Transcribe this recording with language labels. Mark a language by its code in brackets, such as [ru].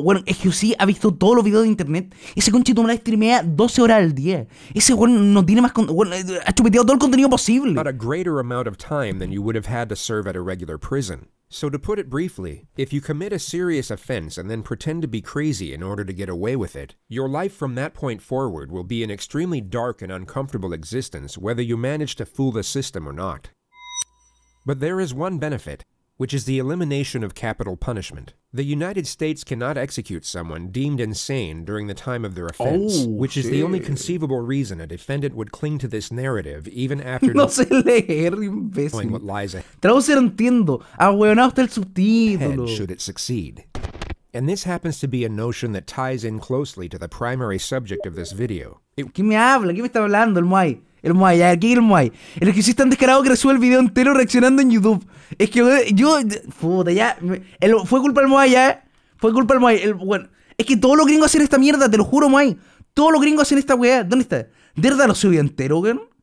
[es] Bueno, es que usted ha visto todos los videos de internet. Ese conchito me la streamea 12 horas al día. Ese weón no tiene más... ha chupeteado todo el contenido posible. [en] But a greater amount of time than you would have had to serve at a regular prison. So to put it briefly, if you commit a serious offense and then pretend to be crazy in order to get away with it, your life from that point forward will be an extremely dark and uncomfortable existence whether you manage to fool the system or not. But there is one benefit, which is the elimination of capital punishment. The United States cannot execute someone deemed insane during the time of their offense, oh, which is shit. The only conceivable reason a defendant would cling to this narrative even after [es] no sé leer, imbécil. [en] Knowing what lies ahead. [es] Traducir entiendo. Ahueonado está el subtítulo. [en] Should it succeed. And this happens to be a notion that ties in closely to the primary subject of this video. [es] ¿Quién me habla? ¿Quién me está hablando? El Muay. El Muay, aquí el Muay. El que sí está descarado que resuelve el video entero reaccionando en YouTube. Es que yo puta, ya. Fue culpa del Muay, ya. Fue culpa del Muay. Es que todos los gringos hacen esta mierda, te lo juro, Muay. Todos los gringos hacen esta weá. ¿Dónde está? ¿De verdad lo subió entero, weón?